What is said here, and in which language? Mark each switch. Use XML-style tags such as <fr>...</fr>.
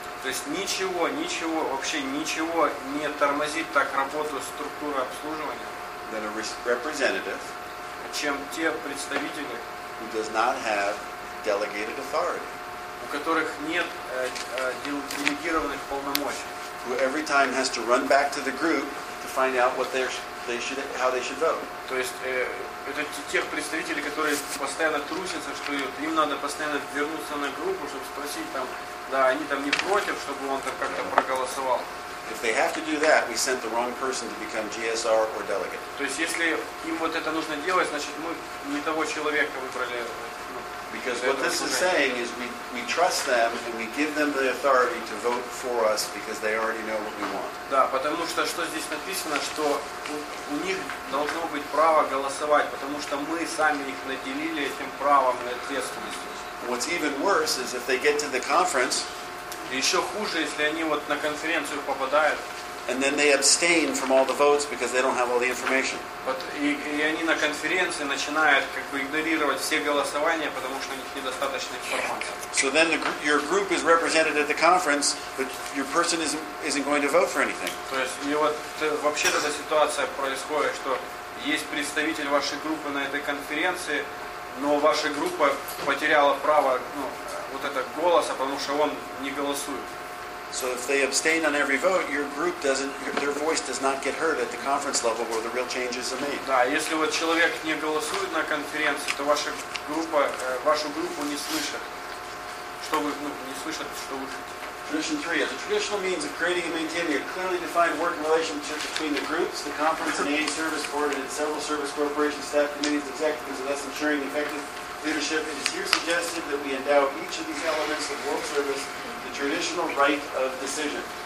<ru>То есть ничего не тормозит так работу структуры обслуживания.</ru> <en>Than a representative,</en> <ru>чем те представители,</ru> <en>who does not have delegated authority,</en> <ru>у которых нет делегированных полномочий,</ru> <en>who every time has to run back to the group to find out what they should vote.</en> <ru>То есть это тех представителей, которые постоянно трусятся, что им надо постоянно вернуться на группу, чтобы спросить там, да, они там не против, чтобы он там как-то проголосовал.</ru> <en>If they have to do that, we sent the wrong person to become GSR or delegate.</en> <ru>То есть если им вот это нужно делать, значит мы не того человека выбрали.</ru> <en>Because what this is saying is we trust them and we give them the authority to vote for us because they already know what we want.</en> <ru>Да, потому что здесь написано, что у них должно быть право голосовать, потому что мы сами их наделили этим правом и ответственностью.</ru> <en>What's even worse is if they get to the conference.</en> <ru>Еще хуже, если они вот на конференцию попадают.</ru> <en>And then they abstain from all the votes because they don't have all the information.</en> <ru>И они на конференции начинают как бы игнорировать все голосования, потому что у них недостаточно информации.</ru> <en>So then your group is represented at the conference, but your person isn't going to vote for anything.</en> <ru>То есть и вот вообще эта ситуация происходит, что есть представитель вашей группы на этой конференции, но ваша группа потеряла право, ну, вот этот голос, потому что он не голосует.</ru> <en>So if they abstain on every vote, your group doesn't, their voice does not get heard at the conference level where the real changes are made.</en> <ru>Да, если вот человек не голосует на конференции, то ваша группа, вашу группу не слышат.</ru> <en>Tradition 3. As a traditional means of creating and maintaining a clearly defined working relationship between the groups, the conference and AA service board and several service corporations, staff committees, executives, and thus ensuring effective leadership, it is here suggested that we endow each of these elements of world service the traditional right of decision.</en>